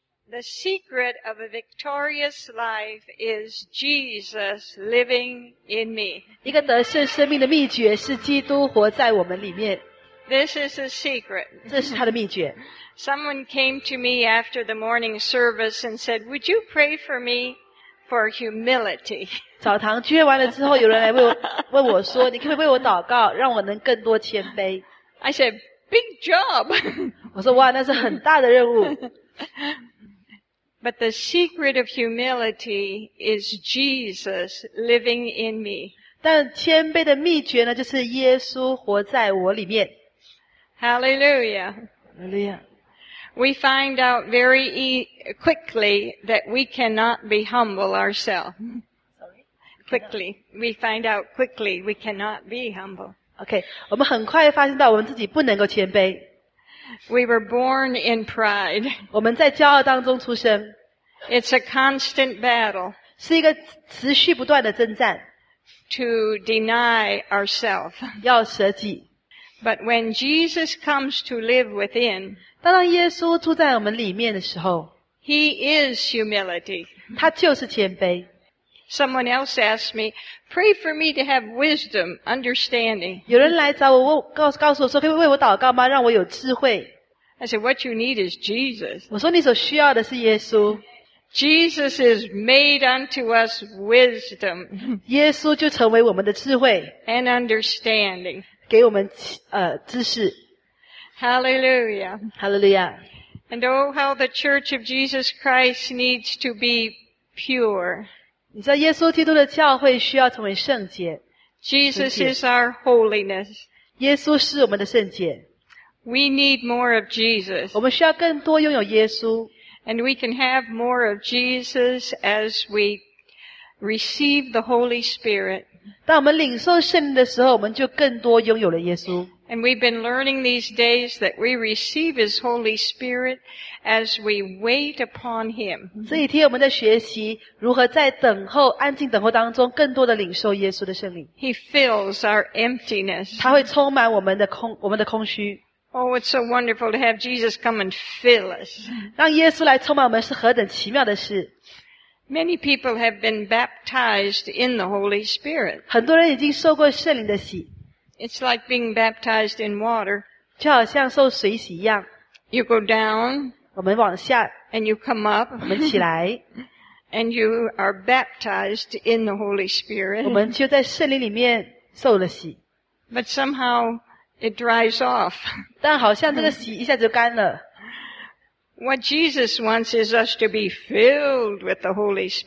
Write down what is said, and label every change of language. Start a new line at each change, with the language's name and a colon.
English: The secret of a victorious life is Jesus living in me.
Chinese: 一个得胜生命的秘诀是基督活在我们里面。
English: This is a secret.
Chinese: 这是他的秘诀。
English: Someone came to me after the morning service and said, "Would you pray for me for humility?"
Chinese: 澡堂聚会完了之后，有人来问我说：“你可不可以为我祷告，让我能更多谦卑
English: ？”I said, "Big job."
Chinese: 我说：“哇，那是很大的任务。
English: ”But the secret of humility is Jesus living in me.
Chinese: 但谦卑的秘诀呢，就是耶稣活在我里面。
English: Hallelujah. Hallelujah. We find out very quickly that we cannot be humble ourselves. Quickly, we find out quickly we cannot be humble.
Chinese: Okay, 我们很快发现到我们自己不能够谦卑。
English: We were born in pride.
Chinese: 我们在骄傲当中出生。
English: It's a constant battle.
Chinese: 是一个持续不断的征战。
English: To deny ourselves.
Chinese: 要舍己。
English: But when Jesus comes to live within,
Chinese: 当耶稣住在我们里面的时候
English: He is humility.
Chinese: 他就是谦卑。
English: Someone else asked me, pray for me to have wisdom, understanding.
Chinese: 有人来找我告诉我说可以为我祷告吗让我有智慧。
English: I said, what you need is Jesus.
Chinese: 我说你所需要的是耶稣。
English: Jesus is made unto us wisdom.
Chinese: 耶稣就成为我们的智慧。
English: And understanding.
Chinese: 给我们知识。
English: Hallelujah. Hallelujah. And oh, how the church of Jesus Christ needs to be pure.
Chinese: 你知道耶稣基督的教会需要成为圣洁。
English: Jesus is our holiness.
Chinese: 耶稣是我们的圣洁。
English: We need more of Jesus.
Chinese: 我们需要更多拥有耶稣。
English: And we can have more of Jesus as we receive the Holy Spirit.
Chinese: 当我们领受圣灵的时候我们就更多拥有了耶稣。
English: And we've been learning these days that we receive His Holy Spirit as we wait upon Him.
Chinese: 这一天我们在学习如何在等候安静等候当中更多的领受耶稣的圣灵。
English: He fills our emptiness.
Chinese: 他会充满我们的空虚。
English: Oh, it's so wonderful to have Jesus come and fill us.
Chinese: 让耶稣来充满我们是何等奇妙的事。
English: Many people have been baptized in the Holy Spirit.
Chinese: 很多人已经受过圣灵的洗。
English: It's like being baptized in water.
Chinese: 就好像受水洗一样。
English: You go down.
Chinese: 我们往下。
English: And you come up.
Chinese: 我们起来。
English: And you are baptized in the Holy Spirit.
Chinese: 我们就在圣灵里面受了洗。
English: But somehow it dries off.
Chinese: 但好像这个洗一下就干了。
English: What Jesus wants is us to be filled with the Holy Spirit.